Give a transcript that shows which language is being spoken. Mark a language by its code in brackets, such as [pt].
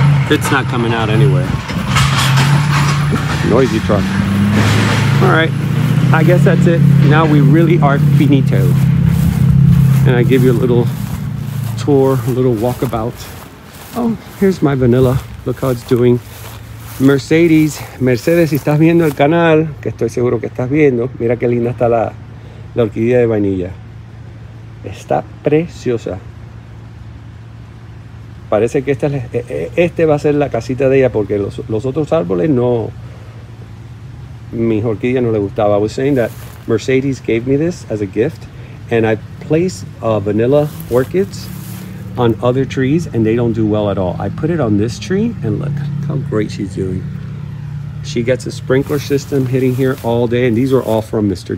[en] It's not coming out anywhere. Noisy truck. All right, I guess that's it. Now we really are finito. And I give you a little tour, a little walkabout. Oh, here's my vanilla. Look how it's doing. [es] Mercedes, si estás viendo el canal, que estoy seguro que estás viendo, mira qué linda está la orquídea de vainilla. Está preciosa. Parece que este va a ser la casita de ella, porque los otros árboles no. Mi orquídea no le gustaba. [en] I was saying that Mercedes gave me this as a gift, and I place vanilla orchids on other trees and they don't do well at all. I put it on this tree and look how great she's doing. She gets a sprinkler system hitting here all day, and these are all from Mr.